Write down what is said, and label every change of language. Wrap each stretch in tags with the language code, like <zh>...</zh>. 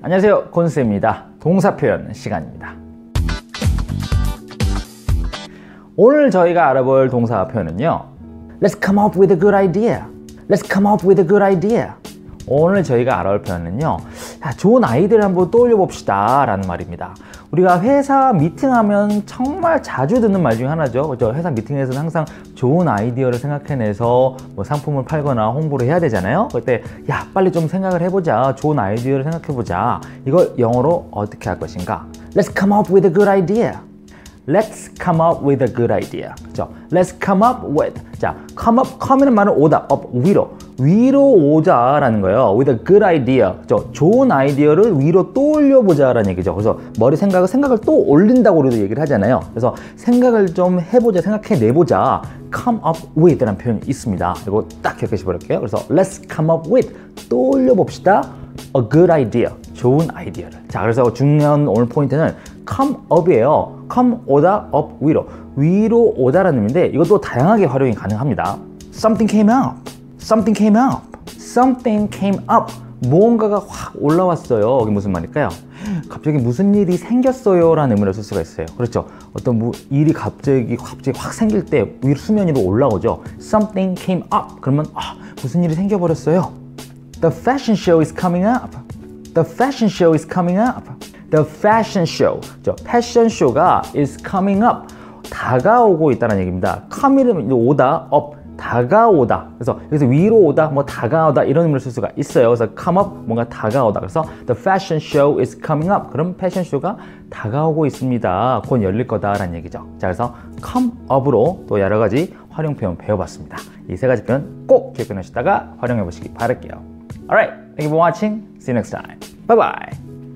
<ko>안녕하세요, 권쌤입니다. 동사 표현 시간입니다. 오늘 저희가 알아볼 동사 표현은요.</ko> <en>Let's come up with a good idea. Let's come up with a good idea.</en> <ko>오늘 저희가 알아볼 표현은요. 좋은 아이디어를 한번 떠올려 봅시다 라는 말입니다. 우리가 회사 미팅하면 정말 자주 듣는 말 중에 하나죠. 그렇죠? 회사 미팅에서는 항상 좋은 아이디어를 생각해내서 뭐 상품을 팔거나 홍보를 해야 되잖아요. 그때 야 빨리 좀 생각을 해보자. 좋은 아이디어를 생각해보자. 이걸 영어로 어떻게 할 것인가?</ko> <en>Let's come up with a good idea. Let's come up with a good idea.</en> <ko>그렇죠?</ko> <en>Let's come up with.</en> <ko>자, come up, come이라는 말은 오다, up, 위로. 위로 오자 라는 거예요.</ko> <en>With a good idea.</en> <ko>그렇죠? 좋은 아이디어를 위로 떠올려 보자 라는 얘기죠. 그래서 머리 생각을 또 올린다고 우리도 얘기를 하잖아요. 그래서 생각을 좀 해보자, 생각해 내보자. Come up with 라는 표현이 있습니다. 이거 딱 기억해 버릴게요.</ko> <en>그래서 Let's come up with.</en> <ko>떠올려 봅시다.</ko> <en>A good idea.</en> <ko>좋은 아이디어를. 자, 그래서 중요한 오늘 포인트는 come up이에요. come 오다, up 위로. 위로 오다라는 의미인데 이것도 다양하게 활용이 가능합니다.</ko> <en>Something came up. Something came up. Something came up.</en> <ko>뭔가가 확 올라왔어요. 이게 무슨 말일까요? 갑자기 무슨 일이 생겼어요 라는 의미로 쓸 수가 있어요. 그렇죠? 어떤 일이 갑자기 확 생길 때 위로 수면 위로 올라오죠.</ko> <en>Something came up.</en> <ko>그러면 아, 무슨 일이 생겨버렸어요.</ko> <en>The fashion show is coming up. The fashion show is coming up. The fashion show.</en> <ko>저 패션 쇼가</ko> <en>is coming up.</en> <ko>다가오고 있다는 얘기입니다. Come이라면 오다, up, 다가오다. 그래서 여기서 위로 오다, 뭐 다가오다 이런 의미로 쓸 수가 있어요. 그래서 come up, 뭔가 다가오다.</ko> <en>그래서 the fashion show is coming up.</en> <ko>그럼 패션 쇼가 다가오고 있습니다. 곧 열릴 거다라는 얘기죠. 자, 그래서 come up으로 또 여러 가지 활용 표현 배워봤습니다. 이 세 가지 표현 꼭 기억해 놓으시다가 활용해 보시기 바랄게요.</ko> <en>Alright, thank you for watching. See you next time. Bye bye.</en>